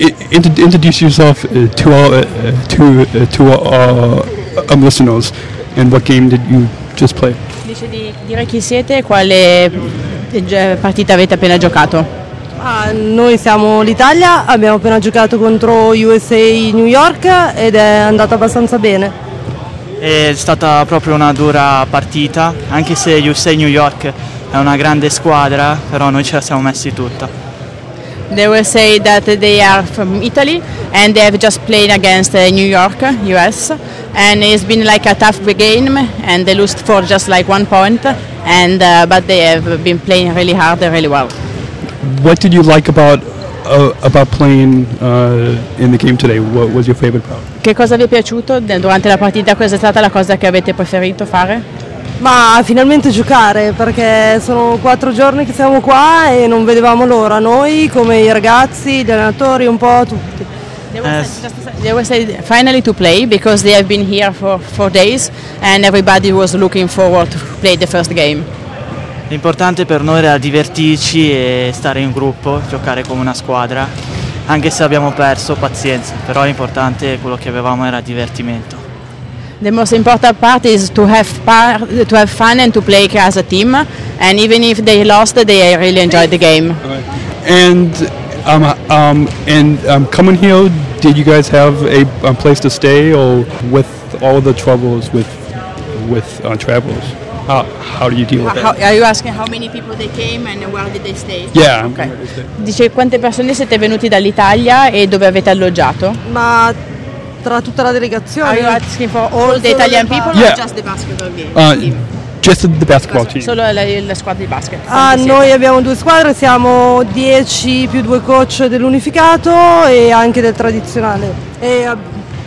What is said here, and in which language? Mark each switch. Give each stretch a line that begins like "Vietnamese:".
English: Introduce yourself to our listeners, and what game did you just play?
Italian: Dice di dire chi siete, quale partita avete appena giocato. Noi siamo l'Italia, abbiamo appena giocato contro USA New York ed è andata abbastanza bene. È stata proprio una dura partita, anche se USA New York è una grande squadra, però noi ce la siamo messi tutta.
English: They will say that they are from Italy and they have just played against New York, US, and it's been like a tough game and they lost for just like one point, and but they have been playing really hard and really well. What did you like about playing in the game today? What was your favorite part?
Italian: Che cosa vi è piaciuto durante la partita? Cosa è stata la cosa che avete preferito fare? Ma finalmente giocare, perché sono 4 giorni che siamo qua e non vedevamo l'ora, noi come I ragazzi, gli allenatori, un po' tutti.
English: They were saying finally to play because they have been here for 4 days and everybody was looking forward to play the first game.
Italian: L'importante per noi era divertirci e stare in gruppo, giocare come una squadra, anche se abbiamo perso, pazienza, però l'importante quello che avevamo era divertimento.
English: The most important part is to have fun and to play as a team, and even if they lost, they really enjoyed the game. And coming here, did you guys have a place to stay, or with all the troubles with travels? How do you deal with that? Are you asking how many people they came and where did they stay? Yeah. Okay.
Italian: Dice quante persone siete venuti dall'Italia e dove avete alloggiato? Ma tra tutta la delegazione.
English: Are you asking for all the Italian people or just the basketball game? Just the basketball team.
Italian: Solo la squadra di basket. Noi abbiamo 2 squadre, siamo 10 più 2 coach dell'unificato e anche del tradizionale.